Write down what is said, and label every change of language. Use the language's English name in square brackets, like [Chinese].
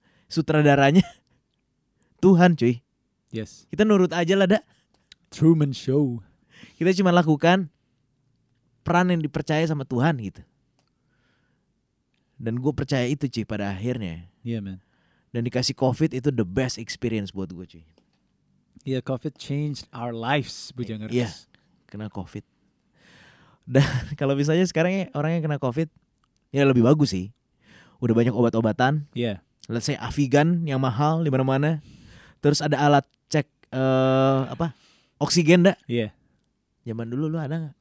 [Indonesian] Sutradaranya Tuhan, cuy. [English] Yes. [Indonesian] Kita nurut aja lah, dak. [English] Truman Show. [Indonesian] Kita cuma lakukan peran yang dipercaya sama Tuhan gitu. Dan gue percaya itu, cuy, pada akhirnya. [English] Yeah, man. [Indonesian] Dan dikasih COVID itu [English] the best experience [Indonesian] buat gue, cuy. [English] Yeah, COVID changed our lives, Budjangers. Yeah, [Indonesian] kena COVID. Dan kalau misalnya sekarang ya, orang yang kena COVID, ya lebih bagus sih. Udah banyak obat-obatan. [English] Yeah. Let's say [Indonesian] Avigan yang mahal di mana-mana. Terus ada alat cek apa? Oksigen, dak? Iya. [English] Yeah. [Indonesian] Zaman dulu lu ada enggak?